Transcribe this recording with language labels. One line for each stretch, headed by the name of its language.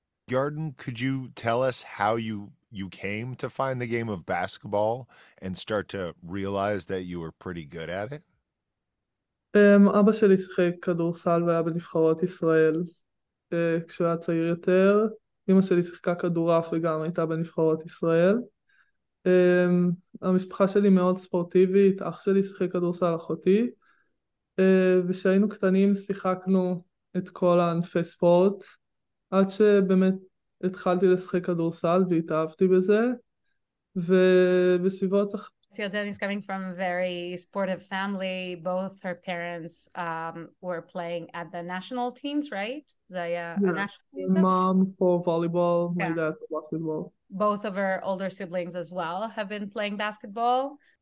English: Yarden, could you tell us how you came to find the game of basketball and start to realize that you were pretty good at it?
Hebrew: אבא שלי שחק כדורסל והיה בנבחרות ישראל. כשהוא היה צעיר יותר, אמא שלי שיחקה כדורעף וגם הייתה בנבחרות ישראל. המשפחה שלי מאוד ספורטיבית, אח שלי שיחק כדורסל, אחותי. ושהיינו קטנים שיחקנו את כל הענפי ספורט, עד שבאמת התחלתי לשחק כדורסל והתאהבתי בזה. ובסביבות
English: So Dennis coming from a very sportive family. Both her parents were playing at the national teams, right? Zaya, yeah. A national team, mom for volleyball, yeah. My dad for basketball. Both of her older siblings as well have been playing basketball.